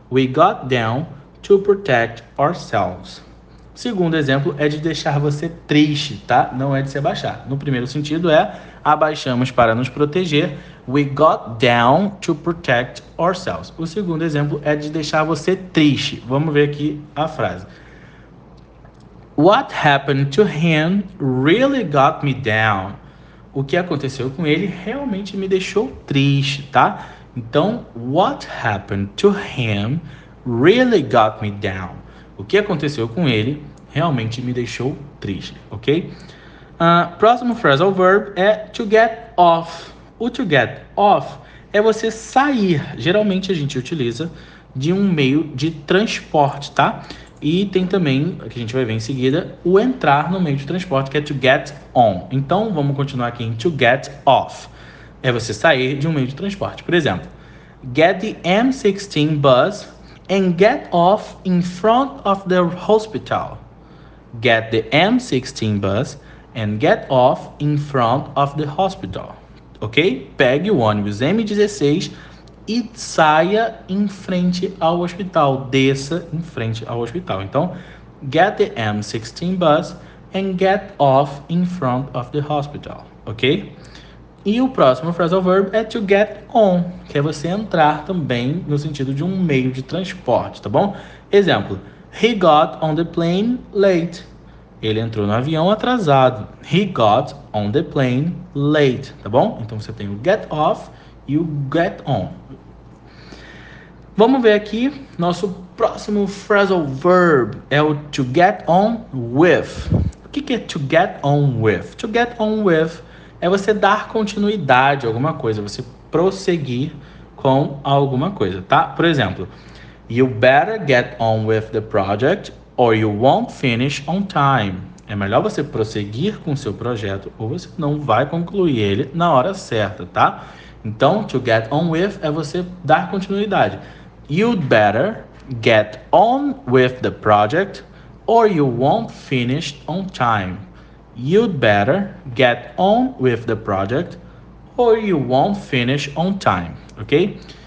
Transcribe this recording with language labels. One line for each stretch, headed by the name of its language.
English: We got down to protect ourselves.
Portuguese: Segundo exemplo é de deixar você triste, tá? Não é de se abaixar. No primeiro sentido é abaixamos para nos proteger.
English: We got down to protect ourselves.
Portuguese: O segundo exemplo é de deixar você triste. Vamos ver aqui a frase.
English: What happened to him really got me down.
Portuguese: O que aconteceu com ele realmente me deixou triste, tá?
English: Então, what happened to him really got me down.
Portuguese: O que aconteceu com ele realmente me deixou triste, ok? Próximo phrasal verb é to get off. O to get off é você sair. Geralmente a gente utiliza de um meio de transporte, tá? E tem também, que a gente vai ver em seguida, o entrar no meio de transporte, que é to get on. Então, vamos continuar aqui em to get off. É você sair de um meio de transporte. Por exemplo,
English: get the M16 bus and get off in front of the hospital. Get the M16 bus and get off in front of the hospital. Ok?
Portuguese: Pegue o ônibus M16 e saia em frente ao hospital. Desça em frente ao hospital.
English: Então, get the M16 bus and get off in front of the hospital. Ok?
Portuguese: E o próximo phrasal verb é to get on, que é você entrar também no sentido de um meio de transporte, tá bom? Exemplo:
English: He got on the plane late.
Portuguese: Ele entrou no avião atrasado.
English: He got on the plane late, tá bom?
Portuguese: Então você tem o get off e o get on. Vamos ver aqui, nosso próximo phrasal verb é o to get on with. O que é to get on with? To get on with é você dar continuidade a alguma coisa, você prosseguir com alguma coisa, tá? Por exemplo,
English: you better get on with the project or you won't finish on time.
Portuguese: É melhor você prosseguir com o seu projeto ou você não vai concluir ele na hora certa, tá? Então, to get on with é você dar continuidade.
English: You better get on with the project or you won't finish on time. You better get on with the project or you won't finish on time, ok?